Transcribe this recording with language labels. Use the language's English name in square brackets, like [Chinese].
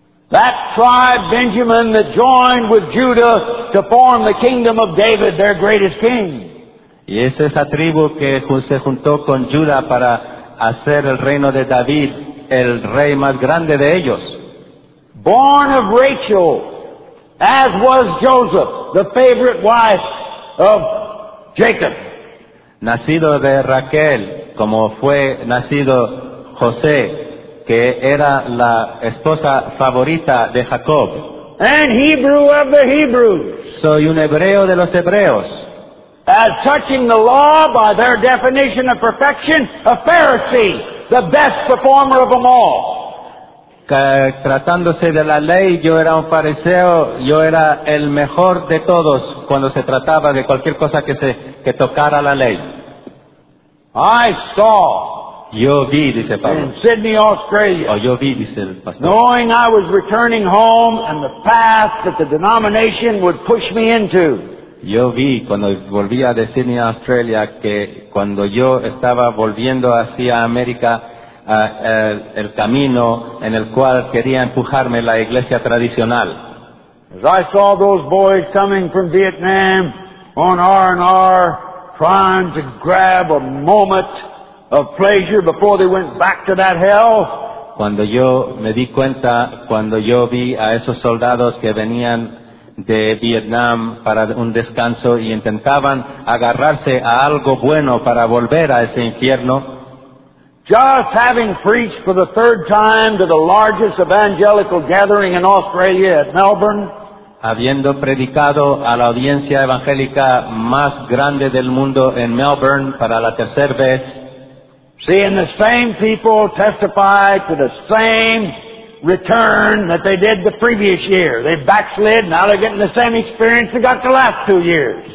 [English] That tribe, Benjamin, that joined with Judah to form the kingdom of David, their greatest king. [Spanish] Y es esa tribu que se juntó con Judá para hacer el reino de David, el rey más grande de ellos. [English] Born of Rachel, as was Joseph, the favorite wife of Jacob. [Spanish] Nacido de Raquel, como fue nacido José, que era la esposa favorita de Jacob. [English] And Hebrew of the Hebrews. [Spanish] Soy un hebreo de los hebreos. [English] As touching the law, by their definition of perfection, a Pharisee, the best performer of them all. [Spanish] Tratándose de la ley, yo era un fariseo, yo era el mejor de todos cuando se trataba de cualquier cosa que tocara la ley. [English] I saw. [Spanish] Yo vi, dice Pablo, [English] in Sydney, Australia. [Spanish] Oh, yo vi, dice el pastor, [English] knowing I was returning home and the path that the denomination would push me into. [Spanish] Yo vi cuando volvía de Sydney a Australia que cuando yo estaba volviendo hacia América el camino en el cual quería empujarme la iglesia tradicional. [English] As I saw those boys coming from Vietnam on R&R trying to grab a moment of pleasure before they went back to that hell. [Spanish] Cuando yo me di cuenta, cuando yo vi a esos soldados que venían de Vietnam para un descanso y intentaban agarrarse a algo bueno para volver a ese infierno. [English] Just having preached for the third time to the largest evangelical gathering in Australia at Melbourne. [Spanish] Habiendo predicado a la audiencia evangélica más grande del mundo en Melbourne para la tercera vez. [English] Seeing the same people testify to the same return that they did the previous year. They backslid, now they're getting the same experience they got the last 2 years.